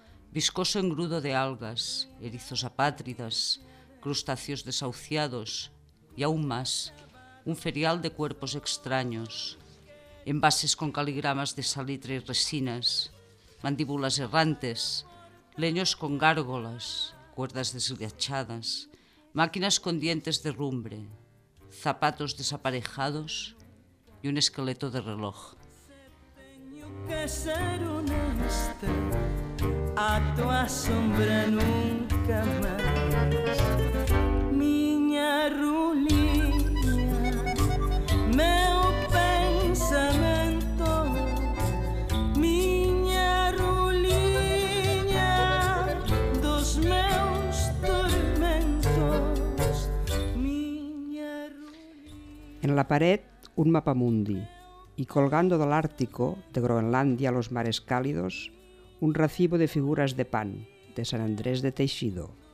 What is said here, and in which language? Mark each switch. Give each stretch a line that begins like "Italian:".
Spanish: Viscoso engrudo de algas, erizos apátridas, crustáceos desahuciados y aún más, un ferial de cuerpos extraños, envases con caligramas de salitre y resinas, mandíbulas errantes, leños con gárgolas, cuerdas desgachadas, máquinas con dientes de rumbre, zapatos desaparejados y un esqueleto de reloj. A tu sombra nunca más,
Galician: miña ruliña, meu pensamento, miña ruliña, dos meus tormentos, miña ruliña.
Spanish: En la pared, un mapa mundi, y colgando del Ártico, de Groenlandia a los mares cálidos, un recibo de figuras de pan, de San Andrés de Teixido.